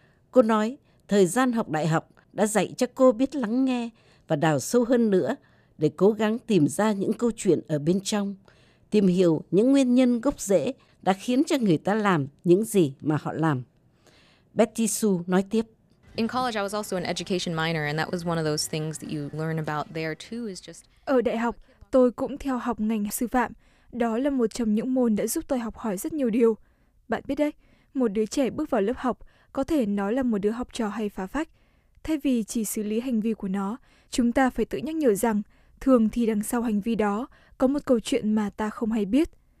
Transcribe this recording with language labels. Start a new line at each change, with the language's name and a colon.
Vietnamese: Cô nói, thời gian học đại học đã dạy cho cô biết lắng nghe và đào sâu hơn nữa để cố gắng tìm ra những câu chuyện ở bên trong, tìm hiểu những nguyên nhân gốc rễ đã khiến cho người ta làm những gì mà họ làm. Patti Sue nói tiếp.
English: In college I was also an education minor and that was one of those things that you learn about there too is just.
Vietnamese: Ở đại học tôi cũng theo học ngành sư phạm, đó là một trong những môn đã giúp tôi học hỏi rất nhiều điều. Bạn biết đấy, một đứa trẻ bước vào lớp học có thể nói là một đứa học trò hay phá phách. Thay vì chỉ xử lý hành vi của nó, chúng ta phải tự nhắc nhở rằng thường thì đằng sau hành vi đó có một câu chuyện mà ta không hay biết.